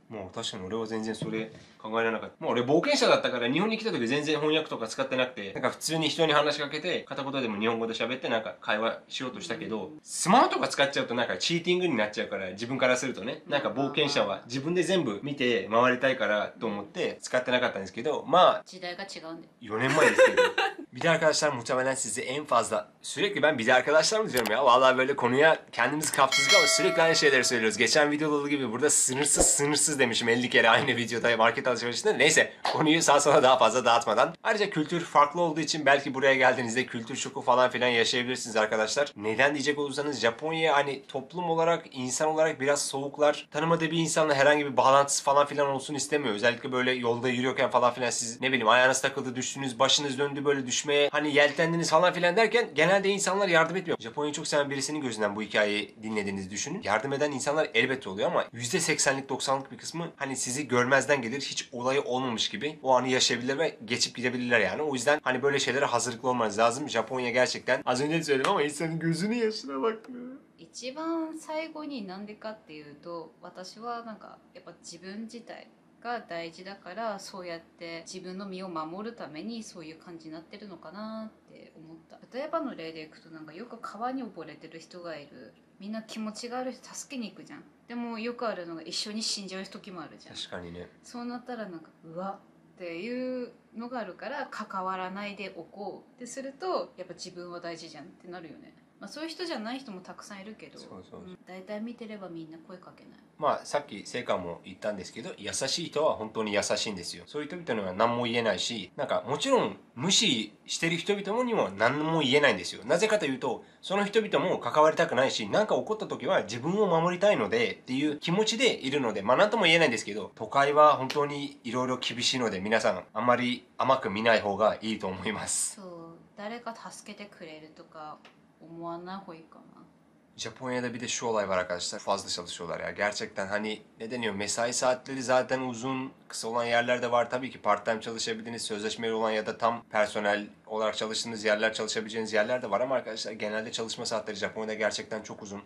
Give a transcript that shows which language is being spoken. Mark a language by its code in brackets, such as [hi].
[ja] もう確かに俺は全然それ考えられなかった。もう俺冒険者だったから日本に来た時全然翻訳とか使ってなくて、なんか普通に人に話しかけて片言でも日本語で喋ってなんか会話しようとしたけど、うん、スマートが使っちゃうとなんかチーティングになっちゃうから、自分からするとね、なんか冒険者は自分で全部見て回りたいからと思って使ってなかったんですけど、まあ時代が違うんで 4年前ですけど。 [tr] Bir arkadaşlar muhtemelen size en fazla sürekli ben bir arkadaşlar mı diyorum ya, vallahi böyle konuya kendimiz kaptızlık ama sürekli aynı şeyleri söylüyoruz. Geçen videoda olduğu gibi burada sınırsız demişim 50 kere aynı videoda market alışverişinde. Neyse, konuyu sağ sola daha fazla dağıtmadan. Ayrıca kültür farklı olduğu için belki buraya geldiğinizde kültür şoku falan filan yaşayabilirsiniz arkadaşlar. Neden diyecek olursanız, Japonya hani toplum olarak, insan olarak biraz soğuklar. Tanımadığı bir insanla herhangi bir bağlantısı falan filan olsun istemiyor. Özellikle böyle yolda yürüyorken falan filan, siz ne bileyim ayağınız takıldı, düştünüz, başınız döndü, böyle düştünüz. Hani yeltendiniz falan filan derken genelde insanlar yardım etmiyor. Japonya'yı çok seven birisinin gözünden bu hikayeyi dinlediğinizi düşünün. Yardım eden insanlar elbette oluyor ama %80'lik 90'lık bir kısmı hani sizi görmezden gelir, hiç olayı olmamış gibi o anı yaşayabilir ve geçip gidebilirler yani. O yüzden hani böyle şeylere hazırlıklı olmanız lazım. Japonya gerçekten, az önce de söyledim ama insanın gözünü yaşına bakmıyor. [ja] 一番最後になんでかっていうと、私はなんかやっぱ自分自体が大事だから、そうやって自分の身を守るためにそういう感じになってるのかなって思った。例えばの例でいくと、なんかよく川に溺れてる人がいる、みんな気持ちがある人助けに行くじゃん。でもよくあるのが一緒に死んじゃう時もあるじゃん。確かにね。そうなったらなんかうわっていうのがあるから、関わらないでおこうってするとやっぱ自分は大事じゃんってなるよね。まあ、そういう人じゃない人もたくさんいるけど、そうそうそう、大体見てればみんな声かけない。まあさっき聖火も言ったんですけど、優しい人は本当に優しいんですよ。そういう人々には何も言えないし、なんかもちろん無視してる人々にも何も言えないんですよ。なぜかというと、その人々も関わりたくないし、何か起こった時は自分を守りたいのでっていう気持ちでいるので、まあ何とも言えないんですけど、都会は本当にいろいろ厳しいので、皆さんあまり甘く見ない方がいいと思います。そう、誰か助けてくれるとか思わない方がいいかな。 [tr] Japonya'da bir de şu olay var arkadaşlar, fazla çalışıyorlar ya gerçekten. Hani ne deniyor, mesai saatleri zaten uzun, kısa olan yerler de var tabii ki. [en] Part time [tr] çalışabildiğiniz, sözleşmeli olan ya da tam personel olarak çalıştığınız yerler, çalışabileceğiniz yerler de var ama arkadaşlar genelde çalışma saatleri Japonya'da gerçekten çok uzun.